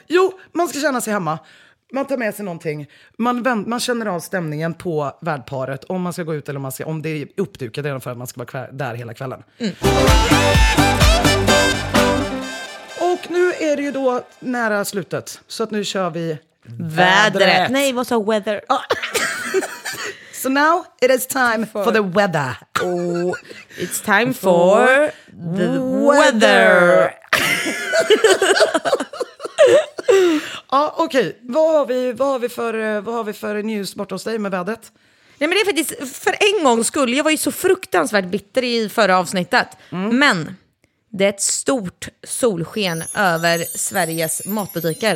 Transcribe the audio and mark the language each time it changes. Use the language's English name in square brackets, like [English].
[Swedish] Jo, man ska känna sig hemma. Man tar med sig någonting. Man känner av stämningen på värdparet. Om man ska gå ut eller om det är uppdukat redan för att man ska vara där hela kvällen. Mm. Och nu är det ju då nära slutet. Så att nu kör vi vädret. Nej, vad sa weather? [English] So now it is time for the weather. Oh, it's time for the weather. [Swedish] Ja, okej. Vad har vi för news bort hos dig med vädret? Nej, men det är faktiskt för en gång skull. Jag var ju så fruktansvärt bitter i förra avsnittet. Mm. Men det är ett stort solsken över Sveriges matbutiker.